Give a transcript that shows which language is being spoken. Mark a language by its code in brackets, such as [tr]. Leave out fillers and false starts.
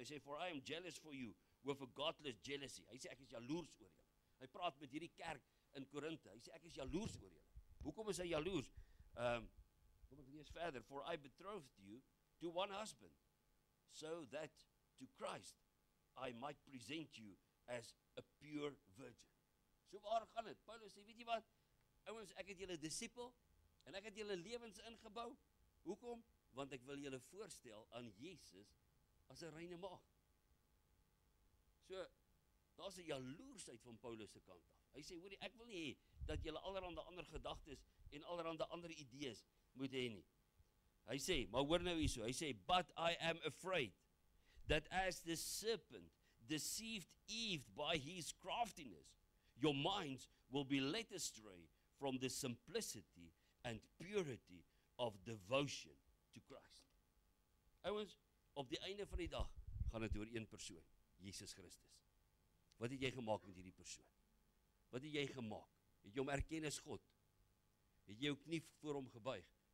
[af] Hy sê, [en] for I am jealous for you, with a godless jealousy. [af] Hy sê, ek is jaloers oor julle. Hy praat met hierdie kerk in Korinthe. Hy sê, ek is jaloers oor julle. Hoekom is hy jaloers? Kom ek lees verder. [en] For I betrothed you to one husband, so that to Christ I might present you as a pure virgin. [af] So waar gaan het? Paulus sê, weet jy wat? Ouens, ek het julle disipel, en ek het julle lewens ingebou. Hoekom? Want ek wil julle voorstel aan Jesus as 'n reine maag. So, daar's 'n jaloersheid van Paulus se kant af. Hy sê, hoorie, ek wil nie hê dat julle allerhande ander gedagtes en allerhande ander idees moet hê nie. Hy sê, maar hoor nou hierso, hy sê, [en] but I am afraid that as the serpent deceived Eve by his craftiness, your minds will be led astray from the simplicity and purity of devotion to Christ. [af] Ouens, op die einde van die dag gaan het oor een persoon, Jesus Christus. Wat het jy gemaakt met hierdie persoon? Wat het jy gemaakt? Het jy hom erken as God? Het jy jou knie voor hom gebuig?